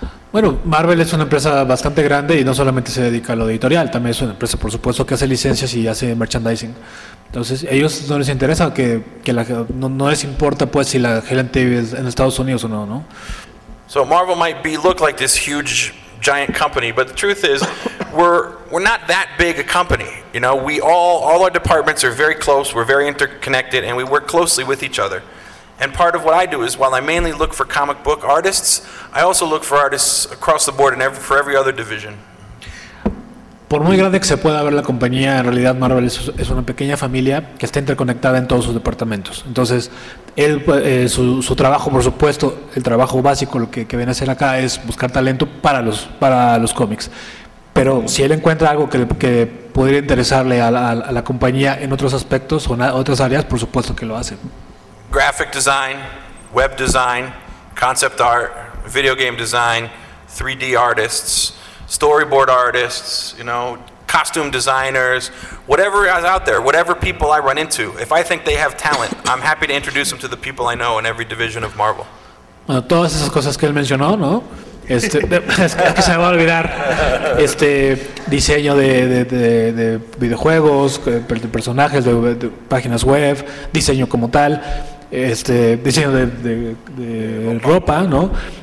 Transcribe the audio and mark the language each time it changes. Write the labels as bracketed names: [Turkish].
[Spanish] Bueno, Marvel es una empresa bastante grande y no solamente se dedica a lo editorial, también es una empresa, por supuesto, que hace licencias y hace merchandising. Entonces, a ellos no les interesa no les importa pues si la gente vive en Estados Unidos o no, ¿no? [English] So Marvel might be look like this huge giant company, but the truth is we're not that big a company. You know, we all our departments are very close, we're very interconnected and we work closely with each other. And part of what I do is, while I mainly look for comic book artists, I also look for artists across the board and for every other division. [Spanish] Por muy grande que se pueda ver la compañía, en realidad Marvel es una pequeña familia que está interconectada en todos sus departamentos. Entonces, su trabajo, por supuesto, el trabajo básico, lo que viene a hacer acá es buscar talento para los cómics. Pero si él encuentra algo que pudiera interesarle a la compañía en otros aspectos o en otras áreas, por supuesto que lo hace. [English] Graphic design, web design, concept art, video game design, 3D artists, storyboard artists, you know, costume designers, whatever is out there, whatever people I run into. If I think they have talent, I'm happy to introduce them to the people I know in every division of Marvel. [Spanish] Bueno, todas esas cosas que él mencionó, ¿no? Es que se me va a olvidar. Diseño de videojuegos, de personajes, de páginas web, diseño como tal. Diseño de ropa, ¿no?